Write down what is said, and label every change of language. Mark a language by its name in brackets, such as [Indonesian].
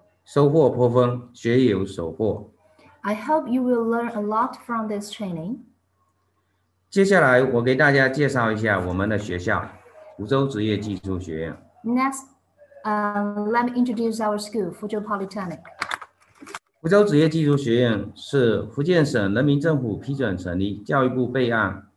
[Chinese] 希望大家在此次的培训中收获颇丰，学有所获。 [English] I hope you will learn a lot from this training. [Chinese] 接下来，我给大家介绍一下我们的学校——福州职业技术学院。 [English] Next, let me introduce our school, Fuzhou Polytechnic. [Chinese] 福州职业技术学院是福建省人民政府批准成立，教育部备案。